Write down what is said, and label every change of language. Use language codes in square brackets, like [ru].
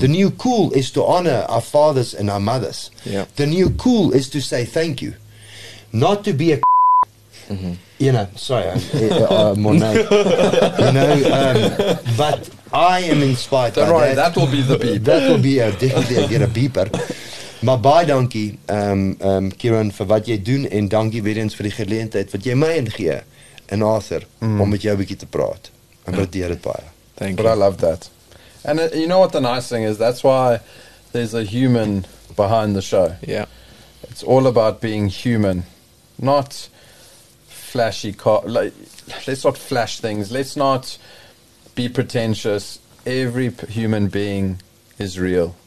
[en] The new cool is to honor our fathers and our mothers. Yep. The new cool is to say thank you. Not to be a mm-hmm. You know, sorry, Monet. You know, but I am inspired don't by worry, that. That will be the beep. That will be definitely a get a beeper. [af] Maar baie dankie, Kieran, vir wat jy doen, en dankie weer eens vir die geleentheid wat jy my ingee, en Arthur, om met jou 'n bietjie te praat. Ek waardeer dit baie. [en] Thank you. But I love that. And you know what the nice thing is? That's why there's a human behind the show. Yeah. It's all about being human. Not flashy, let's not flash things. Let's not be pretentious. Every human being is real.